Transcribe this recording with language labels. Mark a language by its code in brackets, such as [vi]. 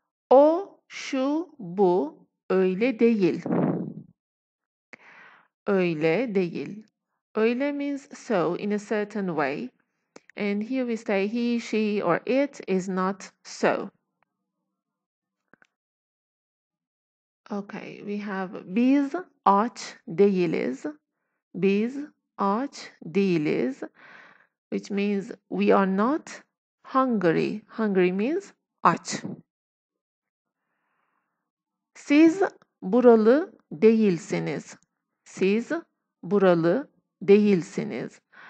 [tr] O, şu, bu, öyle değil. Öyle değil. [en] Öyle means so, in a certain way. And here we say he, she, or it is not so. Okay, we have [tr] biz aç değiliz. Biz aç değiliz. [en] Which means we are not hungry. Hungry means aç. [tr] Siz buralı değilsiniz. Siz buralı değilsiniz.